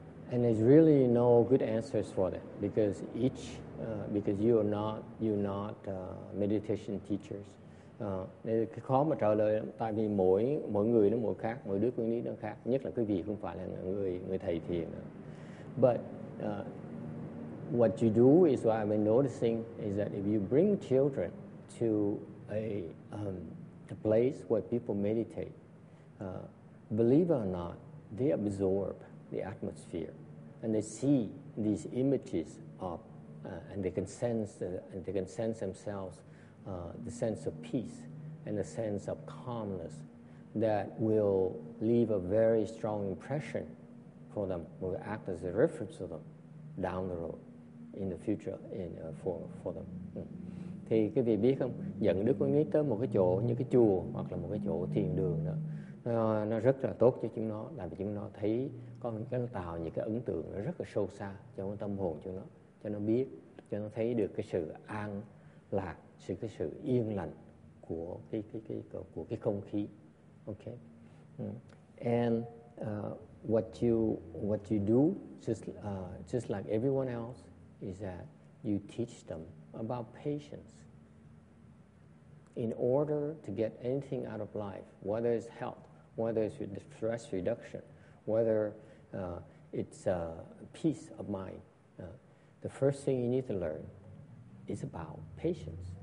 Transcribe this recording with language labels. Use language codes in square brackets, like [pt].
[en] And there's really no good answers for that because you're not meditation teachers. [vi] Cái khó mà trả lời lắm, tại vì mỗi người nó mỗi khác, mỗi đứa con nít nó khác, nhất là quý vị không phải là người thầy thiền. [en] But what you do is what I've been noticing is that if you bring children to a place where people meditate, believe it or not, they absorb the atmosphere and they see these images of and they can sense and they can sense themselves the sense of peace and the sense of calmness that will leave a very strong impression for them, will act as a reference for them down the road in the future in for them. [vi] Thì quý vị biết không, dẫn đứa con nít tới một cái chỗ như cái chùa hoặc là một cái chỗ thiền đường đó, nó rất là tốt cho chúng nó, làm cho chúng nó thấy có những cái, nó tạo những cái ấn tượng nó rất là sâu xa trong tâm hồn cho nó, cho nó biết, cho nó thấy được cái sự an lạc, cái sự yên lành của cái không khí. [en] Okay. And what you do just like everyone else is that you teach them about patience. In order to get anything out of life, whether it's health, whether it's stress reduction, whether it's peace of mind, the first thing you need to learn is about patience.